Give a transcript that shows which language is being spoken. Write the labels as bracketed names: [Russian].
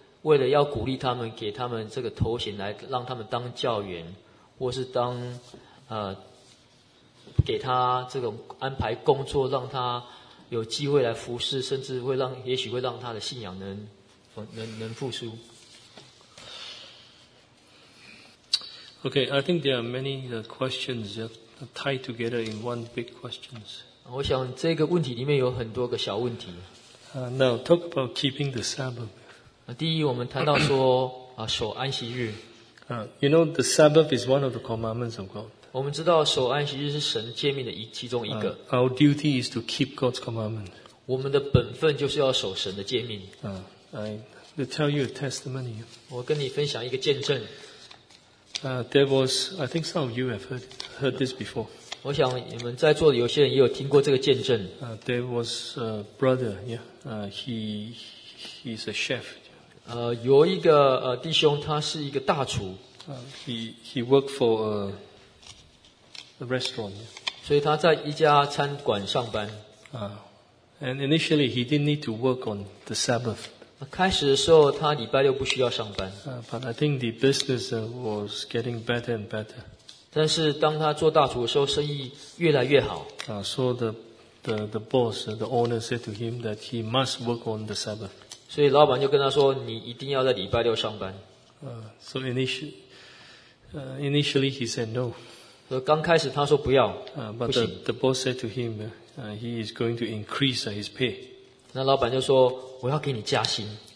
[Chinese] 为了要鼓励他们，给他们这个头衔来让他们当教员，或是当给他这种安排工作，让他有机会来服侍，甚至会让也许会让他的信仰能复苏。 [English] Okay, I think there are many questions that tie together in one big question. [Chinese] 我想这个问题里面有很多个小问题。 [English] Now, talk about keeping the Sabbath. [Chinese] 第一，我们谈到说守安息日。 [English] You know, the Sabbath is one of the commandments of God. [Chinese] 我们知道守安息日是神诫命的其中一个。 [English] Our duty is to keep God's commandment. [Chinese] 我们的本分就是要守神的诫命。 [English] I will tell you a testimony. [Chinese] 我跟你分享一个见证。 [English] There was, I think some of you have heard this before. [Chinese] 我想你们在座的有些人也有听过这个见证。 [English] There was a brother, yeah. He's a chef. [Chinese] 有一个弟兄，他是一个大厨。 [English] He worked for a restaurant. [Chinese] 所以他在一家餐馆上班。 [English] And initially he didn't need to work on the Sabbath. [Chinese] 开始的时候他礼拜六不需要上班。 [English] But I think the business was getting better and better. [Chinese] 但是当他做大厨的时候生意越来越好。 [English] So the boss, the owner said to him that he must work on the Sabbath. [Chinese] 所以老板就跟他说你一定要在礼拜六上班。 [English] So initially he said no. [Chinese] 刚开始他说不要。 [English] But the boss said to him, he is going to increase his pay. [Chinese] 那老板就说我要给你加薪。